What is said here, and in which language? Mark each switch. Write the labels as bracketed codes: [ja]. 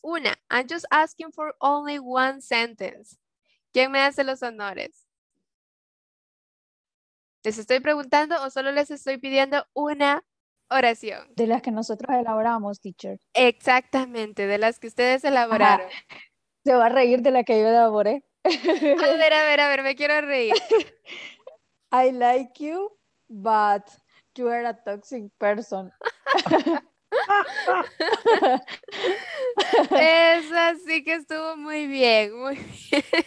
[en] Una, I'm just asking for only one sentence. [es] ¿Quién me hace los honores? ¿Les estoy preguntando o solo les estoy pidiendo una oración? De las que nosotros elaboramos, teacher. Exactamente, de las que ustedes elaboraron. Ajá. Se va a reír de la que yo elaboré. A ver, me quiero reír. [en] I like you, but you are a toxic person. [es] Esa sí que estuvo muy bien, muy bien.